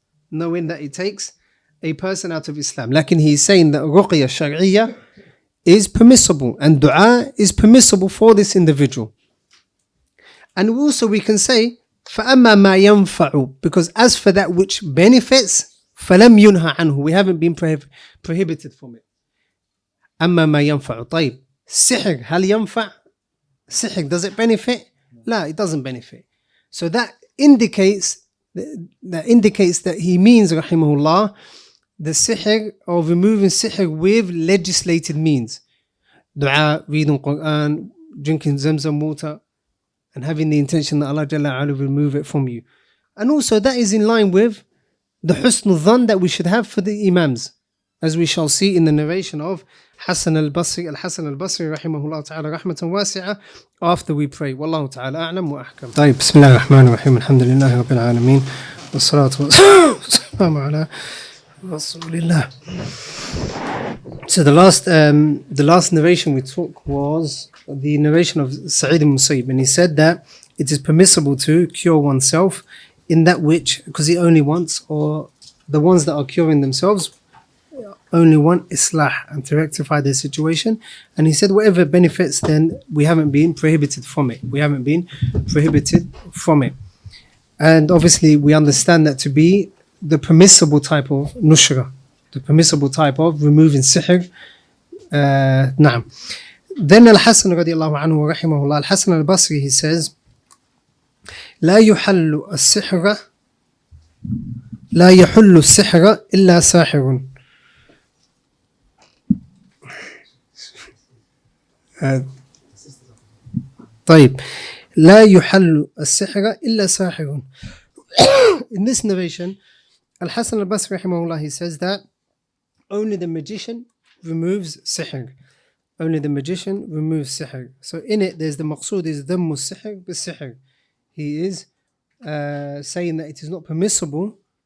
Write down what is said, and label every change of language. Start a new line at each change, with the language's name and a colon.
English: Knowing that it takes a person out of Islam. Lakin he is saying that ruqya shar'iyya is permissible, and dua is permissible for this individual. And also we can say,
Arabic: فَأَمَّا مَا يَنْفَعُ,
English: because as for that which benefits,
Arabic: فَلَمْ يُنْهَى عَنْهُ,
English: we haven't been prohibited from it.
Arabic: أما ما ينفع طيب سحر هل ينفع سحر
English: does it benefit
Arabic: لا
English: it doesn't benefit. So that indicates that he means
Arabic: رحمه الله
English: the سحر or removing سحر with legislated means, دعاء reading Quran, drinking زمزم water, and having the intention that Allah جل وعلا will remove it from you. And also that is in line with the حسن الظن that we should have for the imams, as we shall see in the narration of حسن البصري الحسن البصري
Arabic: رحمه الله تعالى رحمة واسعة.
English: After we pray,
Arabic: والله تعالى أعلم وأحكم. طيب بسم الله الرحمن الرحيم, الحمد لله رب العالمين, والصلاة والسلام على رسول الله.
English: So the last narration we took was the narration of سعيد المسيب, and he said that it is permissible to cure oneself in that which, because he only wants, or the ones that are curing themselves only want islah and to rectify their situation. And he said whatever benefits, then we haven't been prohibited from it. We haven't been prohibited from it. And obviously we understand that to be the permissible type of nushra, the permissible type of removing sihr. Na'am. Then Al-Hasan radiallahu anhu wa rahimahullah, Al-Hasan al-Basri, he says
Arabic: لا يحل السحر لا يحل السحر إلا ساحر. طيب لا يحل السحر إلا ساحر.
English: In this narration, Al-Hasan al-Basri
Arabic: رحمه الله,
English: he says that only the magician removes sihr. only the magician removes sihr. So in it, there's the maqsood is
Arabic: dhammu sihr bis-sihr.
English: He is saying that it is not permissible.